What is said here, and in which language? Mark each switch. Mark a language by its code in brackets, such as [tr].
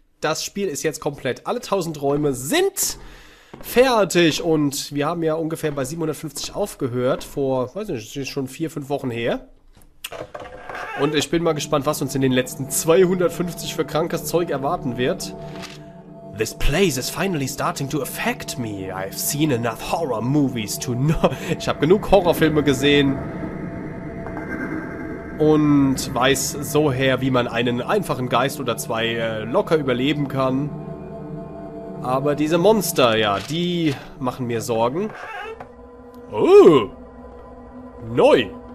[de] Das Spiel ist jetzt komplett, alle 1000 Räume sind fertig und wir haben ja ungefähr bei 750 aufgehört, vor, weiß nicht, schon 4-5 Wochen her. Und ich bin mal gespannt, was uns in den letzten 250 für krankes Zeug erwarten wird. [en] This place is finally starting to affect me. I've seen enough horror movies to know. [de] Ich habe genug Horrorfilme gesehen und weiß so her, wie man einen einfachen Geist oder zwei locker überleben kann. Aber diese Monster, ja, die machen mir Sorgen. Oh! Neu!